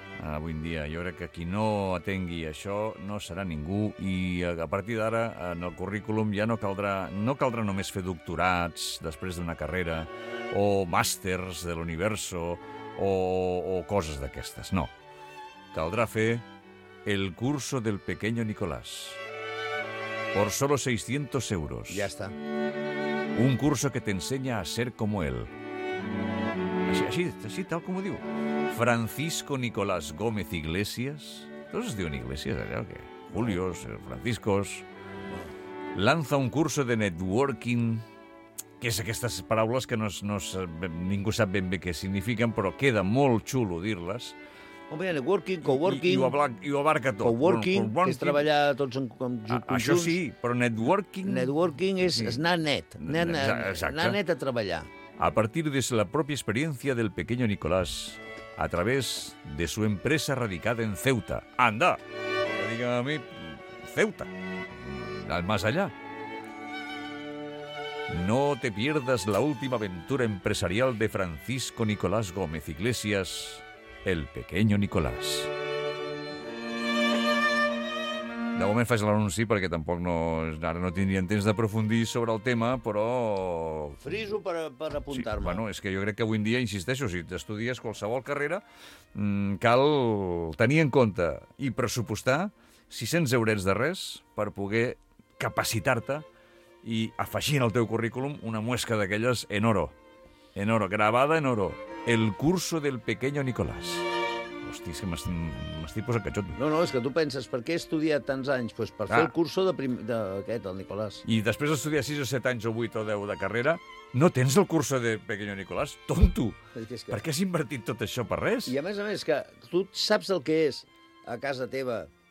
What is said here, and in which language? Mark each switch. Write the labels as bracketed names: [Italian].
[Catalan] Avui en dia, jo crec que qui no atengui això no serà ningú i a partir d'ara, en el currículum ja no caldrà només fer doctorats després d'una carrera o màsters de l'universo o coses d'aquestes, no. Caldrà fer [Spanish] el curso del pequeño Nicolás por solo 600 euros. [Catalan] Ja està. Un curso que t'ensenya a ser [Spanish] como él. [Catalan] Així, tal com ho diu. [Spanish] Francisco Nicolás Gómez Iglesias. ¿Todos es de un Iglesias? Julio, Franciscos. [Catalan] lanza un curso de networking, que és aquestes paraules que ningú sap ben bé què signifiquen, però queda molt xulo dir-les. Home, networking, coworking... I ho abarca tot. Coworking, que és treballar tots en conjunt. Això sí, però networking... Networking és anar net, anar net a treballar. A partir de la pròpia experiència del [Spanish] pequeño Nicolás, a través de su empresa radicada en Ceuta. Anda! [Catalan] Digue'm a mi, Ceuta. [Spanish] Más allá. No te pierdas la última aventura empresarial de Francisco Nicolás Gómez Iglesias, el pequeño Nicolás. [Catalan] De moment faig l'anunci perquè tampoc no... Ara no tindríem temps d'aprofundir sobre el tema, però... Friso per apuntar-me. Sí, bueno, és que jo crec que avui en dia, insisteixo, si t'estudies qualsevol carrera, cal tenir en compte i pressupostar 600 eurets de res per poder capacitar-te i afegir en el teu currículum una muesca d'aquelles en oro. En oro, gravada en oro. [Spanish] El curso del pequeño Nicolás. [Catalan] Hosti, és que m'estic posant catxot. No, és que tu penses, per què he estudiat tants anys? Pues per fer el curso d'aquest, el Nicolás. I després d'estudiar 6 o 7 anys o 8 o 10 de carrera, no tens el curso de pequeño Nicolás? Tonto! Per què has invertit tot això per res? I a més, que tu saps el que és a casa teva...